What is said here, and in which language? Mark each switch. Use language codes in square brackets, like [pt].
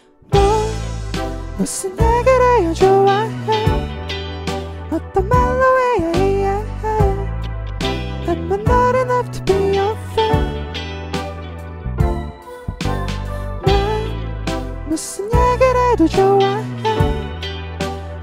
[ko] 너 무슨 얘기를 해요 좋아해. 어떤 말로 해야 이해해. [en] Am I not enough to be your friend? [ko] 난 무슨 얘기를 해도 좋아해.